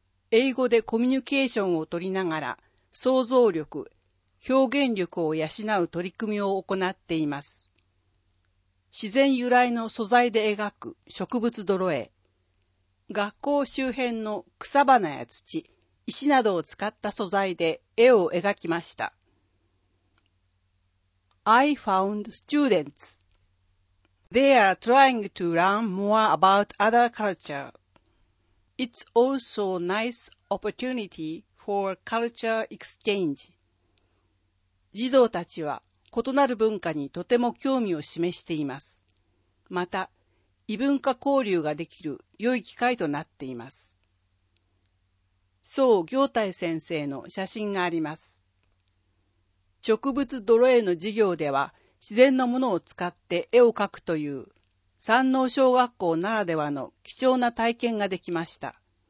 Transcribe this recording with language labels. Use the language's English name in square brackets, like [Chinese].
[Japanese] 英語でコミュニケーションを取りながら、想像力、表現力を養う取り組みを行っています。自然由来の素材で描く植物泥絵。学校周辺の草花や土、石などを使った素材で絵を描きました。 [English] I found students. They are trying to learn more about other culture. It's also a nice opportunity for culture exchange. [Japanese] 児童たちは異なる文化にとても興味を示しています。また、異文化交流ができる良い機会となっています。宋行泰先生の写真があります。植物泥絵の授業では、自然のものを使って絵を描くという、山王小学校ならではの貴重な体験ができました。